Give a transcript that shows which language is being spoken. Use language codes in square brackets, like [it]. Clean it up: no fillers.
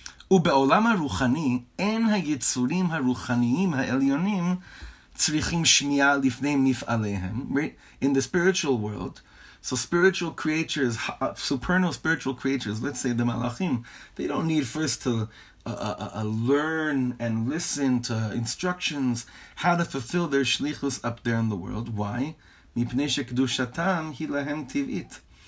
[he] ובעולם הרוחני אין היצורים הרוחניים העליונים צריכים שמיעה לפני מפעליהם. [en] In the spiritual world, so spiritual creatures, supernal spiritual creatures, let's say the malachim, they don't need first to learn and listen to instructions how to fulfill their shlichus up there in the world. Why? [he] מפני שקדושתם היא להם טבעית.